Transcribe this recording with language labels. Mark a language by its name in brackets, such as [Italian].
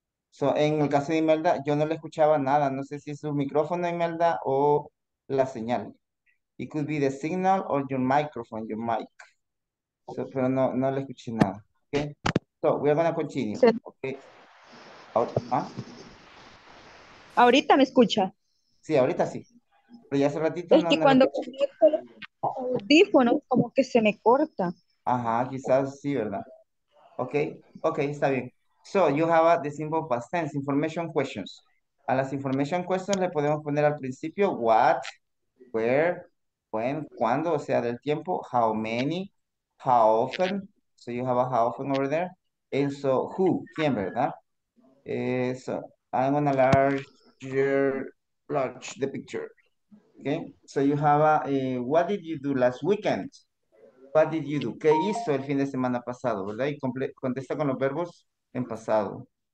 [Spanish] So, en el caso de Imelda, yo no le escuchaba nada. No sé si es su micrófono, Imelda, o la señal. [English] It could be the signal or your microphone, your mic. So, [Spanish] pero no, no le escuché nada. [English] Okay? So, we are going to continue. Okay. Out, [Spanish] ¿Ahorita me escucha? Sí, ahorita sí. Pero ya hace ratito... Es no, que no cuando conecto el audífono, como que se me corta. Ajá, quizás sí, ¿verdad? Ok, ok, está bien. [English] So, you have the simple past tense, information questions. [Spanish] A las [English] information questions [Spanish] le podemos poner al principio [English] what, where, when, [Spanish] cuándo, o sea, del tiempo, [English] how many, how often. So, you have a how often over there. And so, who, quién, ¿verdad? So... I'm gonna large the picture. Okay, so you have what did you do last weekend? What did you do? [Spanish] ¿Qué hizo el fin de semana pasado? ¿Verdad? Y contesta con los verbos en pasado.